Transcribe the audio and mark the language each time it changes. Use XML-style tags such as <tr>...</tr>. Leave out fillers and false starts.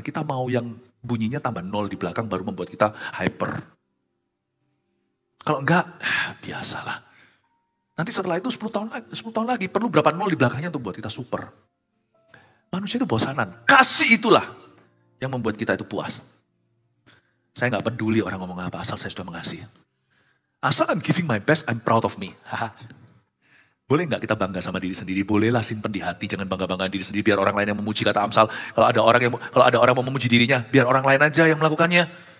<id>Kita mau yang bunyinya tambah nol di belakang baru membuat kita hyper. Kalau enggak, biasalah. Nanti setelah itu 10 tahun lagi perlu berapa nol di belakangnya untuk buat kita super. Manusia itu bosanan. Kasih itulah yang membuat kita itu puas. Saya gak peduli orang ngomong apa asal saya sudah mengasihi. Asal</id> <en>I'm giving my best, I'm proud of me.</en> <id>Boleh gak kita bangga sama diri sendiri? Bolehlah simpen di hati, jangan bangga-banggaan diri sendiri. Biar orang lain yang memuji, kata Amsal. Kalau ada orang yang memuji dirinya, biar orang lain aja yang melakukannya.</id>